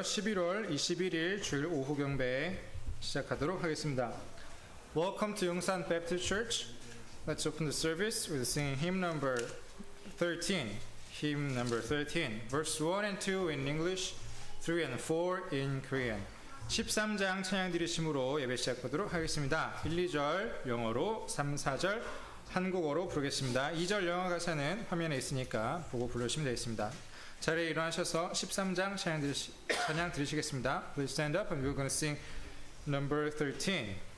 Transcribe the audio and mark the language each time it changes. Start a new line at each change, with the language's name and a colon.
Korean: 11월 21일 주일 오후 경배 시작하도록 하겠습니다.
English: Welcome to Yongsan Baptist Church. Let's open the service with singing hymn number 13. Hymn number 13, verse 1 and 2 in English, 3 and 4 in Korean.
Korean: 13장 찬양 들으심으로 예배 시작하도록 하겠습니다. 1, 2절 영어로, 3, 4절 한국어로 부르겠습니다. 2절 영어 가사는 화면에 있으니까 보고 부르시면 되겠습니다. 자리에 일어나셔서 13장 찬양 들으시겠습니다.
English: Please stand up and we're going to sing number 13.